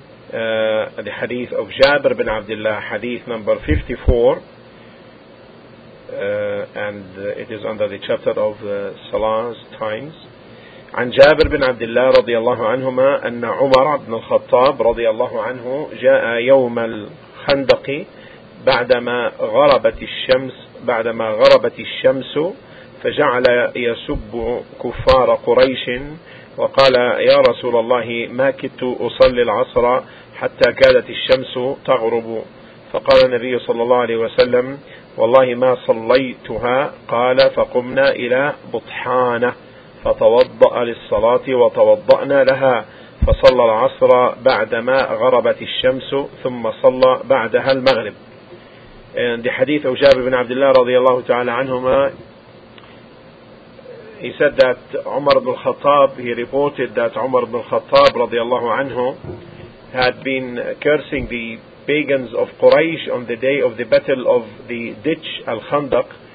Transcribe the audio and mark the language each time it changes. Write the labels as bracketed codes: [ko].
[en] The hadith of Jabir bin Abdullah, hadith number 54, it is under the chapter of Salah's times. [ar] عن جابر بن عبد الله رضي الله عنهما أن عمر بن الخطاب رضي الله عنه جاء يوم الخندق بعدما غربت الشمس فجعل يسب كفار قريش وقال يا رسول الله ما كنت أصلي العصر حتى كادت الشمس تغرب فقال النبي صلى الله عليه وسلم والله ما صليتها قال فقمنا إلى بطحانة فتوضأ للصلاة وتوضأنا لها فصلى العصر بعدما غربت الشمس ثم صلى بعدها المغرب. [en] And the hadith of Jabir bin Abdullah [ar] رضي الله تعالى عنهما, [en] he said that Umar ibn al-Khattab, he reported that Umar ibn al-Khattab [ar] رضي الله عنه [en] had been cursing the pagans of Quraysh on the day of the battle of the ditch al-Khandaq.